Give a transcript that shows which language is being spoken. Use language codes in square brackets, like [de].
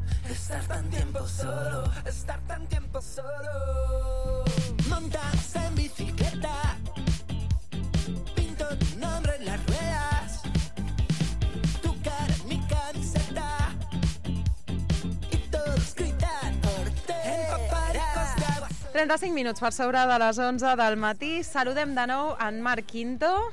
[es] estar tan tiempo solo, estar tan tiempo solo. Montarse en bicicleta, pinto tu nombre en las ruedas, tu cara en mi camiseta, y todos gritan por ti. En paparicos de agua. [ca] 35 minuts per sobre de les 11 del matí. Saludem de nou en Marc Quinto.